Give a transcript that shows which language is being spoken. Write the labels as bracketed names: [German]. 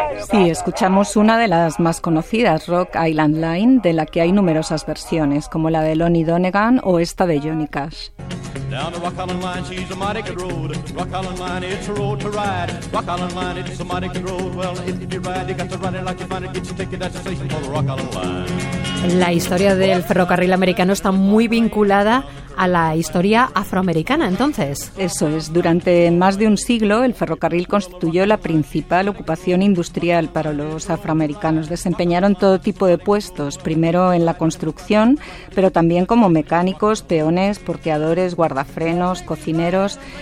[Spanish] Sí, escuchamos una de las más conocidas, Rock Island Line, de la que hay numerosas versiones, como la de Lonnie Donegan o esta de Johnny Cash. [English] Down the Rock Island Line, she's a mighty good road. Rock Island Line, it's a road to ride. Rock Island Line, it's a mighty good road. Well, if you ride, you got to ride it like you find it. Get your ticket at the station for the Rock Island Line. [Spanish] La historia del ferrocarril americano está muy vinculada a la historia afroamericana, entonces. Eso es. Durante más de un siglo, el ferrocarril constituyó la principal ocupación industrial para los afroamericanos. Desempeñaron todo tipo de puestos, primero en la construcción, pero también como mecánicos, peones, porteadores, guardafrenos, cocineros.